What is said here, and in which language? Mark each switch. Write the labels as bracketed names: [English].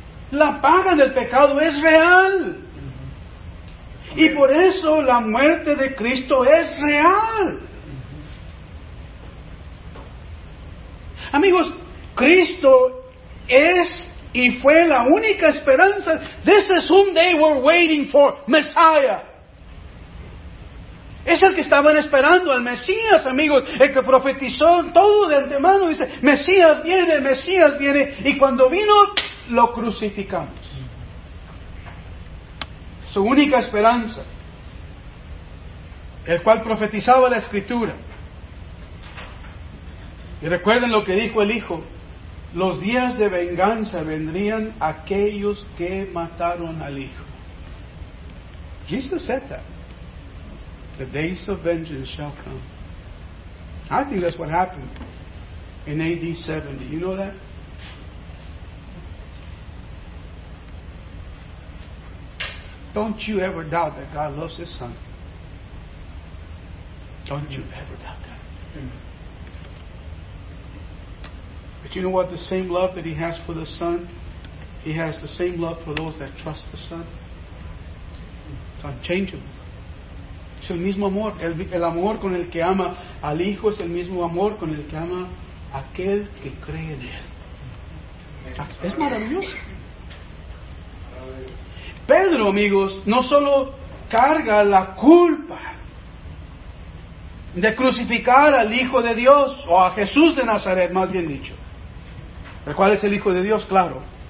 [Spanish] La paga del pecado es real. Y por eso la muerte de Cristo es real. Amigos, Cristo es y fue la única esperanza. [English] This is whom they were waiting for, Messiah. [Spanish] Es el que estaban esperando, al Mesías, amigos, el que profetizó todo de antemano. Dice, Mesías viene, y cuando vino, lo crucificamos. Su única esperanza, el cual profetizaba la Escritura. Y recuerden lo que dijo el Hijo, los días de venganza vendrían aquellos que mataron al Hijo. [English] Jesus said that. The days of vengeance shall come. I think that's what happened in AD 70. You know that? Don't you ever doubt that God loves His Son. Don't you ever doubt that. But you know what? The same love that He has for the Son, He has the same love for those that trust the Son. It's unchangeable. [Spanish] Es el mismo amor. El amor con el que ama al Hijo es el mismo amor con el que ama aquel que cree en Él. Es maravilloso. Pedro, amigos, no solo carga la culpa de crucificar al Hijo de Dios, o a Jesús de Nazaret, más bien dicho, el cual es el Hijo de Dios, claro.